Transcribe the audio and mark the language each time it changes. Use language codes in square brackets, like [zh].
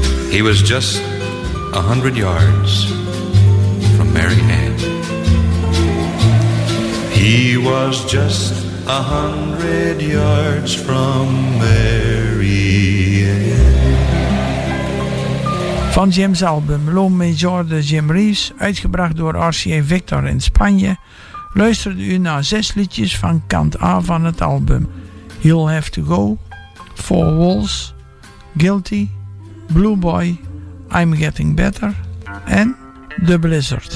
[en] He was just 100 yards from Marianne. He was just 100 yards from Marianne. [nl] Van Jim's album Lo Mejor de Jim Reeves, uitgebracht door RCA Victor in Spanje, luisterde u naar 6 liedjes van kant A van het album. You'll Have to Go, Four Walls, Guilty, Blue Boy, I'm Getting Better en The Blizzard.